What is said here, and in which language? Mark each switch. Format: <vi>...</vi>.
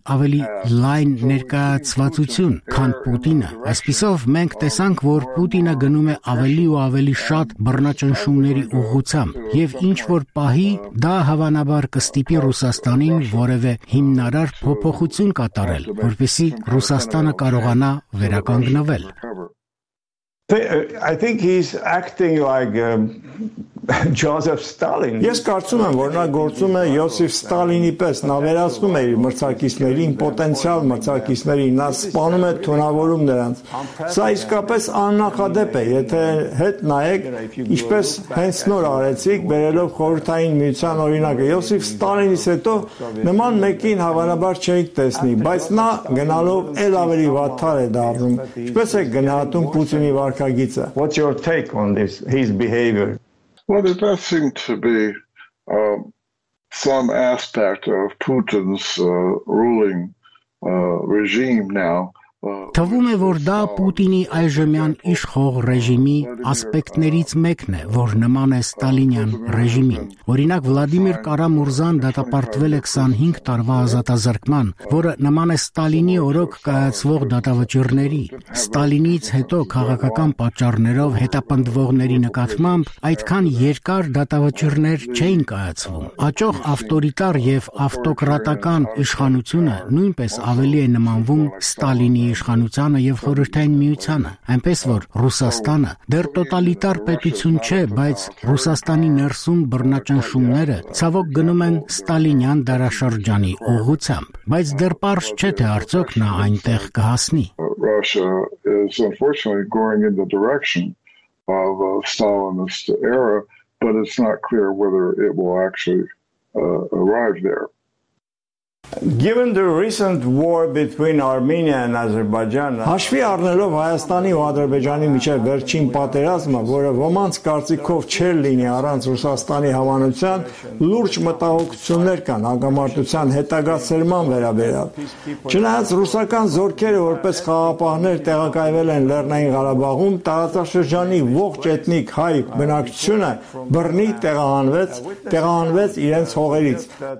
<hy>ավելի լայն ներկայացվածություն, քան Պուտինը։ Այսպիսով մենք տեսանք, որ Պուտինը գնում է ավելի ու ավելի շատ բռնաճնշումների ուղղությամբ, եւ ինչ որ պահի դա հավանաբար կստիպի Ռուսաստանին որևէ հիմնարար փոփոխություն կատարել, որպեսզի Ռուսաստանը կարողանա վերականգնվել։</hy> <en>I think he's acting like Joseph Stalin.</en> <hy>Ես կարծում եմ, որ նա գործում է Յոսիֆ Ստալինի պես, նա վերածում է իր մրցակիցներին, պոտենցիալ մրցակիցներին, նա սպանում է թունավորում նրանց։ Սա իսկապես աննախադեպ է, եթե հետ նայեք, ինչպես հենց նոր արեցիք, բերելով Խորհրդային Միության օրինակը։ Յոսիֆ Ստալինից հետո նման մեկին հավանաբար չենք տեսնի, բայց նա գնալով էլ ավելի վատար է դառնում, ինչպես է գնահատում Պուտինի վարկագիծը։</hy> <en>What's your take on this, his behavior? Well, there does seem to be some aspect of Putin's ruling regime now.</en> <hy>Թվում է, որ դա Պուտինի այժմյան իշխող ռեժիմի ասպեկտներից մեկն է, որ նման է Ստալինյան ռեժիմին։ Օրինակ, Վլադիմիր Կարամուրզան դատապարտվել է 25 տարվա ազատազրկման, որը նման է Ստալինի օրոք կայացվող դատավճիռների։ Ստալինից հետո քաղաքական պատճառներով հետապնդվողների նկատմամբ այդքան երկար դատավճիռներ չէին կայացվում։ Աճող ավտորիտար եւ ավտոկրատական իշխանությունը նույնպես ավելի է նմանվում Ստալինի իշխանությանը եւ խորհրդային միությանը, այնպես որ Ռուսաստանը դեռ տոտալիտար պետություն չէ, բայց Ռուսաստանի ներսում բռնաճնշումները ցավոք գնում են Ստալինյան դարաշրջանի ուղղությամբ, բայց դեռ պարզ չէ, թե արդյոք նա այնտեղ կհասնի։</hy> <en>Russia is unfortunately going in the direction of a Stalinist era, but it's not clear whether it will actually arrive there. Given the recent war between Armenia and Azerbaijan,</en> <hy>հաշվի առնելով Հայաստանի ու Ադրբեջանի միջև վերջին պատերազմը, որը ոմանց կարծիքով չեր լինի առանց Ռուսաստանի համանության, լուրջ մտահոգություններ կան հագամարտության հետագա ծերման վերաբերյալ։ Չնայած ռուսական զորքերը որպես խաղապահներ տեղակայվել են Լեռնային Ղարաբաղում, տարածաշրջանի ողջ էթնիկ հայ բնակչությունը բռնի տեղահանվեց իրենց հողերից։</hy>